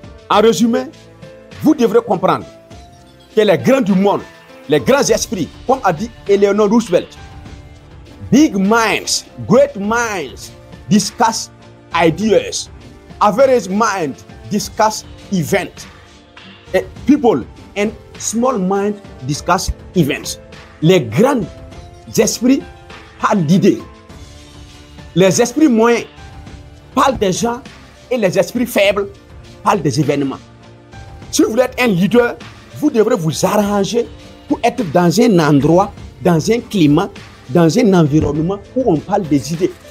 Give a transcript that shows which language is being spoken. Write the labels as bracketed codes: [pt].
[fr] En résumé, vous devrez comprendre que les grands du monde, les grands esprits, comme a dit Eleanor Roosevelt, [en] big minds, great minds, discuss ideas. Average mind discuss events. People and small mind discuss events. [fr] Les grands esprits parlent d'idées. Les esprits moyens parlent des gens et les esprits faibles parlent des événements. Si vous voulez être un leader, vous devrez vous arranger pour être dans un endroit, dans un climat, dans un environnement où on parle des idées.